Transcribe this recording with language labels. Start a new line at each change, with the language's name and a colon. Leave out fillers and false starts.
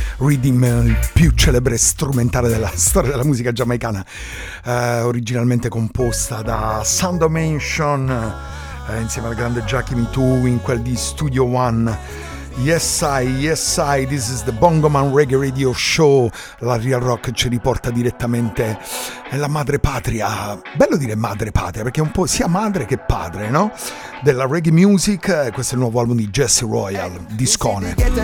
Italian: Rhythm, il più celebre strumentale della storia della musica giamaicana, originalmente composta da Sando Mansion, insieme al grande Jackie Me Too in quel di Studio One.
English: Yes I, this is the Bongoman Reggae Radio Show.
Italian: La Real Rock ci riporta direttamente nella madre patria. Bello dire madre patria, perché è un po' sia madre che padre, no? Della reggae music. Questo è il nuovo album di Jesse Royal, Discone.